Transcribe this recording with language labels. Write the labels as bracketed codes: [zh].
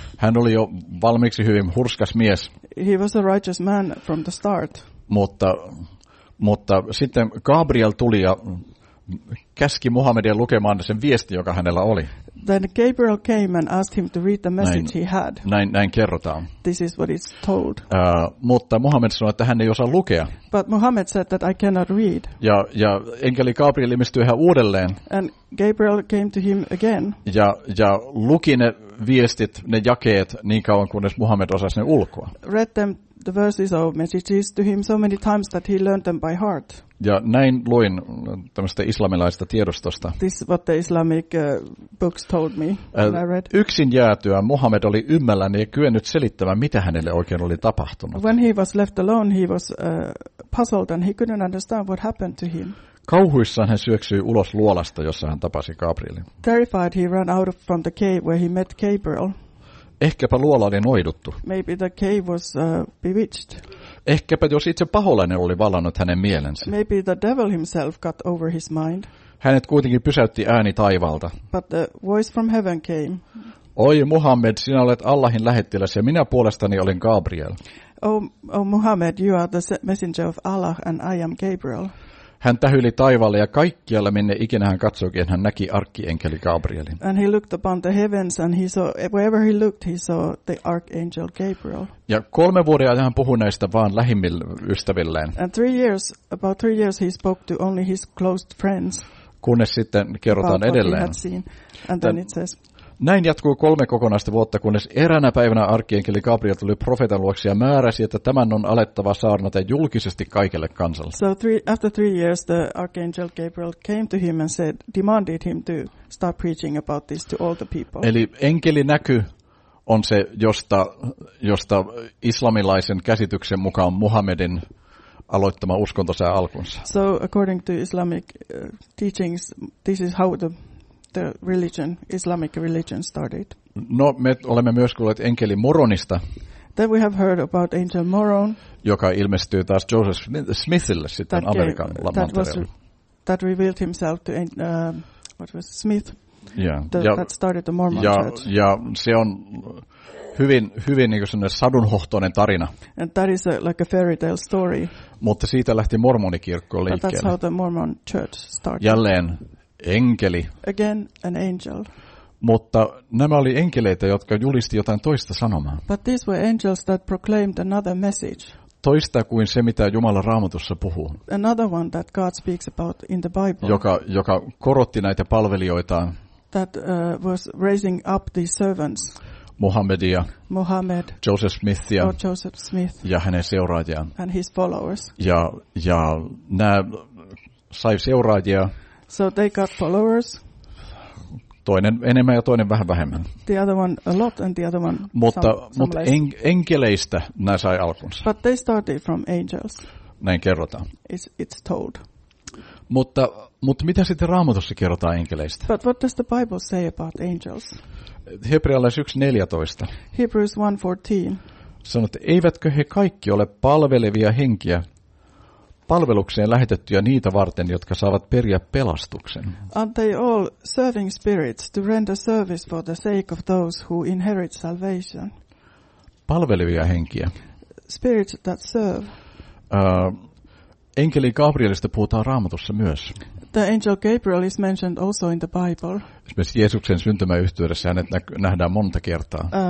[fi] Hän oli jo valmiiksi hyvin hurskas mies. [en] He was a righteous man from the start. [fi] Mutta sitten Gabriel tuli ja käski Muhammedia lukemaan sen viesti, joka hänellä oli. [en] Then Gabriel came and asked him to read the message he had. [fi] Näin kerrotaan. [en] This is what it's told. [fi] Mutta Muhammed sanoi, että hän ei osaa lukea. [en] But Muhammed said that I cannot read. [fi] Ja enkeli Gabriel ilmestyi ihan uudelleen. [en] And Gabriel came to him again. [fi] Ja luki ne viestit, ne jakeet niin kauan kunnes Muhammed osasi ne ulkoa. [en] Read them the verses or messages to him so many times that he learned them by heart. [fi] Ja näin luin tämmöistä islamilaisesta tiedostosta. [en] This is what the Islamic books told me when I read. [fi] Yksin jäätyä Muhammed oli ymmälläni ja kyennyt selittämään, mitä hänelle oikein oli tapahtunut. [en] When he was left alone, he was puzzled and he couldn't understand what happened to him. [fi] Kauhuissaan hän syöksyi ulos luolasta, jossa hän tapasi Gabrielin. [en] Terrified, he ran out from the cave where he met Gabriel. [fi] Ehkäpä luola oli noiduttu. [en] Maybe the cave was bewitched. [fi] Ehkäpä jos itse paholainen oli vallannut hänen mielensä. [en] Maybe the devil himself got over his mind. [fi] Hänet kuitenkin pysäytti ääni taivaalta. [en] But the voice from heaven came. [fi] Oi Muhammed, sinä olet Allahin lähettiläs ja minä puolestani olen Gabriel. [en] Oh Muhammad, you are the messenger of Allah and I am Gabriel. [fi] Hän tähyili taivaalle ja kaikkialla minne ikinä hän katsoikin, hän näki arkkienkeli Gabrielin. [en] And he looked upon the heavens and he saw wherever he looked he saw the archangel Gabriel. [fi] Ja 3 vuoden ajan hän puhui näistä vaan lähimmille ystävilleen. [en] And about three years he spoke to only his close friends. [fi] Kunnes sitten kerrotaan edelleen. [en] And then it says. [fi] Näin jatkui 3 kokonaista vuotta, kunnes eräänä päivänä arkkienkeli Gabriel tuli profeetan luoksi ja määräsi, että tämän on alettava saarnata julkisesti kaikille kansalle. [en] So after three years the archangel Gabriel came to him and said, demanded him to start preaching about this to all the people. [fi] Eli enkeli näky on se, josta islamilaisen käsityksen mukaan Muhammedin aloittama uskonto sai alkunsa. [en] So according to Islamic teachings, this is how the religion, Islamic religion started. [fi] No, me olemme myös kuulleet enkeli Moronista. [en] Then we have heard about angel Moron. [fi] Joka ilmestyy taas Joseph Smithille sitten Amerikan lamantereelle. [en] That revealed himself to what was Smith. Yeah. That started the Mormon church. [fi] Ja se on hyvin niin kuin sadunhohtoinen tarina. [en] And that is a, like a fairy tale story. [fi] Mutta siitä lähti mormonikirkko liikkeelle. [en] But that's how the Mormon church started. [fi] Jälleen enkeli. [en] Again an angel. [fi] Mutta nämä oli enkeleitä, jotka julisti jotain toista sanomaa. [en] But these were angels that proclaimed another message. [fi] Toista kuin se, mitä Jumala Raamatussa puhuu. [en] Another one that God speaks about in the Bible. [fi] Joka korotti näitä palvelijoitaan. [en] That was raising up these servants. [fi] Muhammedia. [en] Muhammad. [fi] Joseph Smithia. [en] Or Joseph Smith. [fi] Ja hänen seuraajiaan. [en] And his followers. [fi] Ja nämä sai seuraajia. [en] So they got followers. [fi] Toinen enemmän ja toinen vähän vähemmän. [en] The other one a lot and the other one [fi] mutta enkeleistä nämä sai alkunsa. [en] But they started from angels. [fi] Näin kerrotaan. [en] It's told. [fi] Mutta mitä sitten Raamatussa kerrotaan enkeleistä? [en] But what does the Bible say about angels? [fi] Hebrealaiskirja 1:14. [en] Hebrews 1:14. [fi] Sanoo, että eivätkö he kaikki ole palvelevia henkiä? Palvelukseen lähetettyjä niitä varten, jotka saavat periä pelastuksen. [en] Aren't they all serving spirits to render service for the sake of those who inherit salvation? [fi] Palvelevia henkiä. [en] Spirits that serve. [fi] Enkeli Gabrielista puhutaan Raamatussa myös. [en] The angel Gabriel is mentioned also in the Bible. [fi] Esimerkiksi Jeesuksen syntymän yhteydessä hänet nähdään monta kertaa.